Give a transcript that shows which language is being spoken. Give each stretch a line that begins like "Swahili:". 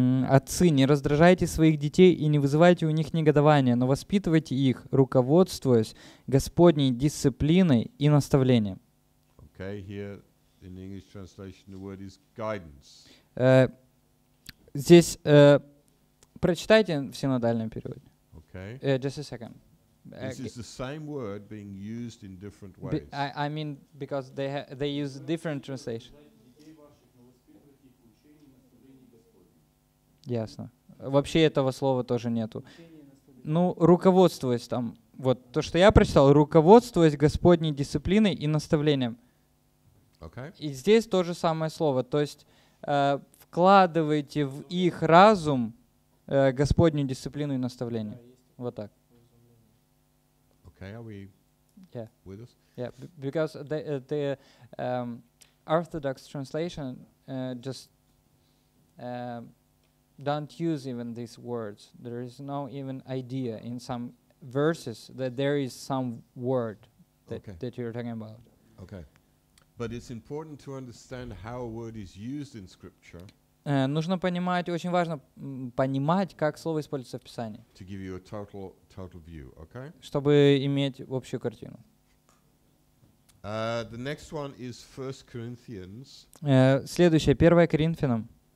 Russian: Отцы, не раздражайте своих детей и не вызывайте у них негодования, но воспитывайте их, руководствуясь Господней дисциплиной и наставлением.
English: Okay, here in English translation the word is guidance.
Russian: Здесь прочитайте в синодальном переводе.
English: Okay. Just a second. This is the same word being used in different ways. I mean, because they use different translation.
Russian: Ясно. Вообще этого слова тоже нету. Ну, руководствуясь там. Вот то, что я прочитал, руководствуясь Господней дисциплиной и наставлением.
English: Okay.
Russian: И здесь то же самое слово. То есть вкладывайте в их разум Господню дисциплину и наставление. Вот так.
English: Okay, are we with us? Yeah, because the Orthodox translation don't use even these words. There is no even idea in some verses that there is some word that you're talking about. Okay. But it's important to understand how a word is used in scripture.
Russian: Нужно понимать, очень важно понимать, как слово используется в Писании.
English: To give you a total view, okay?
Russian: Чтобы иметь общую картину.
English: The next one is 1 Corinthians.
Russian: Следующее, 1 Коринфянам.